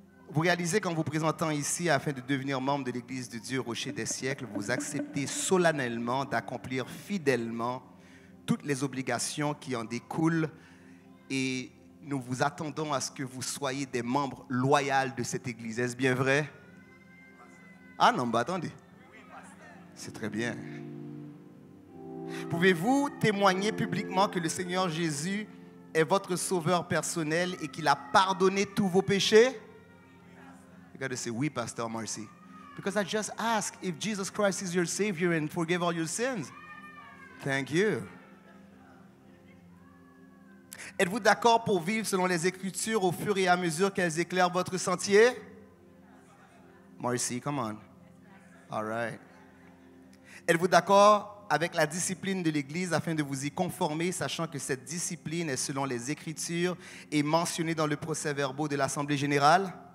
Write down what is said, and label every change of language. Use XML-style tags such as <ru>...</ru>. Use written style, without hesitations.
<fr>Vous réalisez qu'en vous présentant ici afin de devenir membre de l'Église de Dieu, Rocher des siècles, vous acceptez solennellement d'accomplir fidèlement toutes les obligations qui en découlent et nous vous attendons à ce que vous soyez des membres loyaux de cette Église. Est-ce bien vrai? Ah non, bah attendez. C'est très bien. Pouvez-vous témoigner publiquement que le Seigneur Jésus est votre sauveur personnel et qu'il a pardonné tous vos péchés?</fr> <en>You got to say oui, Pastor Marcy. Because I just asked if Jesus Christ is your Savior and forgave all your sins. Thank you.</en> <fr>Êtes-vous d'accord pour vivre selon les Écritures au fur et à mesure qu'elles éclairent votre sentier?</fr> <en>Marcy, come on. All right.</en> <fr>Êtes-vous d'accord avec la discipline de l'Église afin de vous y conformer, sachant que cette discipline est selon les Écritures et mentionnée dans le procès-verbal de l'Assemblée générale?</fr>